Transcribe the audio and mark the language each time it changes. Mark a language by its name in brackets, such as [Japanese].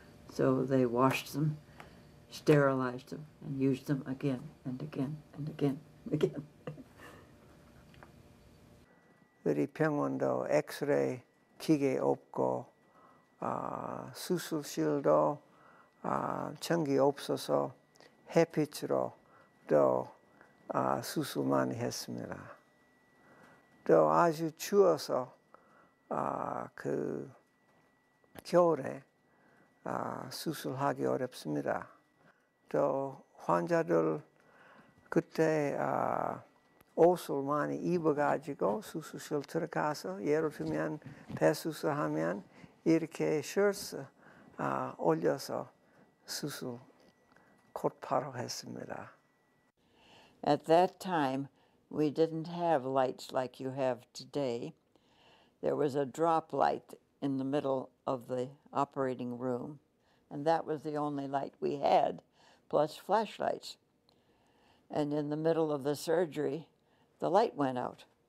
[English] So they washed them, sterilized them, and used them again and again and again and again. [Korean] 우리 병원도 엑스레이 기계 없고 수술실도 전기 없어서 햇빛으로 또 수술 많이 했습니다. 또 아주 추워서 그 겨울에 수술하기 어렵습니다. 또 환자들 그때 옷을 많이 입어가지고 수술실 들어가서 예를 들면 폐수술하면 이렇게 셔츠 올려서 수술 곧바로 했습니다. [English] At that time, we didn't have lights like you have today. There was a drop light in the middle of the operating room, and that was the only light we had, plus flashlights. And in the middle of the surgery, the light went out.